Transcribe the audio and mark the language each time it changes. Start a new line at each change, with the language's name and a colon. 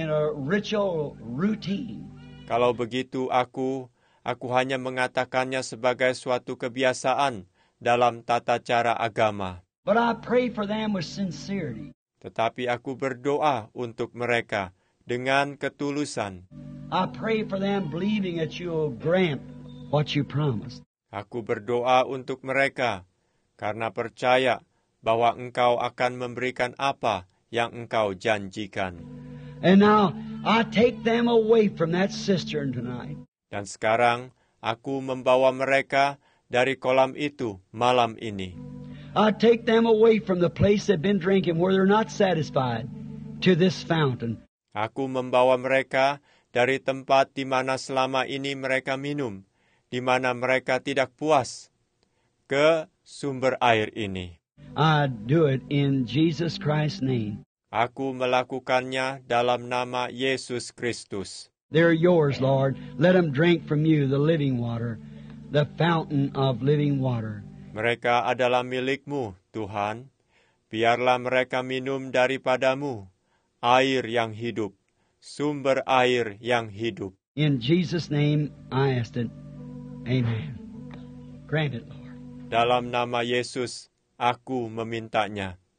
English: I'll be just saying it in a ritual routine.
Indonesian: Kalau begitu, aku hanya mengatakannya sebagai suatu kebiasaan dalam tata cara agama.
English: But I pray for them with sincerity.
Indonesian: Tetapi aku berdoa untuk mereka dengan ketulusan.
English: I pray for them believing that you'll grant what you promised.
Indonesian: Aku berdoa untuk mereka karena percaya bahwa Engkau akan memberikan apa yang Engkau janjikan.
English: And now I take them away from that cistern tonight.
Indonesian: Dan sekarang, aku membawa mereka dari kolam itu malam ini.
English: I take them away from the place they've been drinking where they're not satisfied to this fountain.
Indonesian: Aku membawa mereka dari tempat di mana selama ini mereka minum, di mana mereka tidak puas, ke sumber air ini.
English: I do it in Jesus Christ's name.
Indonesian: Aku melakukannya dalam nama Yesus Kristus.
English: They're yours, Lord. Let them drink from you the living water, the fountain of living water.
Indonesian: Mereka adalah milikmu, Tuhan. Biarlah mereka minum daripadamu, air yang hidup, sumber air yang hidup.
English: In Jesus' name, I ask it. Amen. Grant it, Lord.
Indonesian: Dalam nama Yesus, aku memintanya.